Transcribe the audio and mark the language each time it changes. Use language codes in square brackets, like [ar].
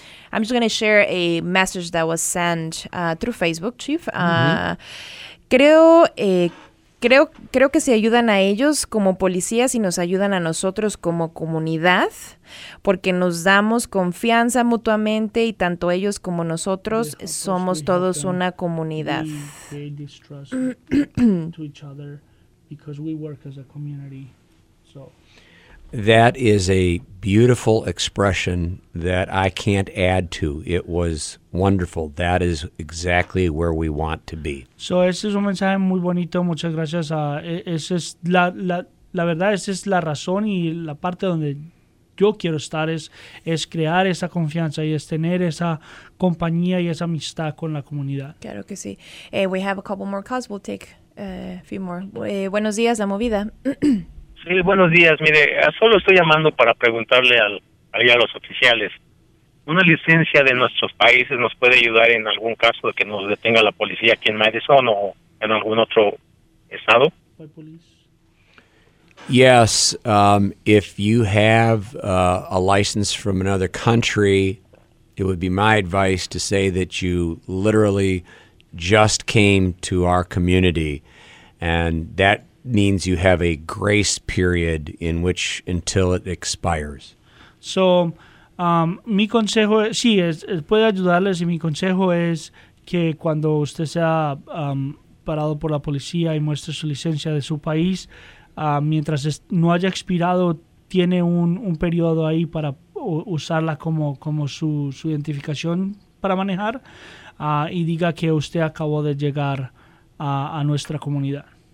[en] I'm just going to share a message that was sent through Facebook, Chief. [es] Creo que se ayudan a ellos como policías y nos ayudan a nosotros como comunidad, porque nos damos confianza mutuamente y tanto ellos como nosotros somos todos una comunidad. [en] They distrust to each other because we work as a community. So that is a beautiful expression that I can't add to. It was wonderful. That is exactly where we want to be. [es] So, ese es un mensaje muy bonito. Muchas gracias. Esa es la verdad, esa es la razón y la parte donde yo quiero estar es crear esa confianza y es tener esa compañía y esa amistad con la comunidad. Claro que sí. [en] We have a couple more calls. We'll take a few more. [es] Buenos días, La Movida. Sí, buenos días. Mire, solo estoy llamando para preguntarle a los oficiales. ¿Una licencia de nuestros países nos puede ayudar en algún caso de que nos detenga la policía aquí en Madison o en algún otro estado? [en] Yes, if you have a license from another country, it would be my advice to say that you literally just came to our community, and that means you have a grace period in which until it expires. [es] So, mi consejo sí es puede ayudarles y mi consejo es que cuando usted sea parado por la policía y muestre su licencia de su país, mientras no haya expirado, tiene un periodo ahí para usarla como su identificación para manejar y diga que usted acabó de llegar a nuestra comunidad.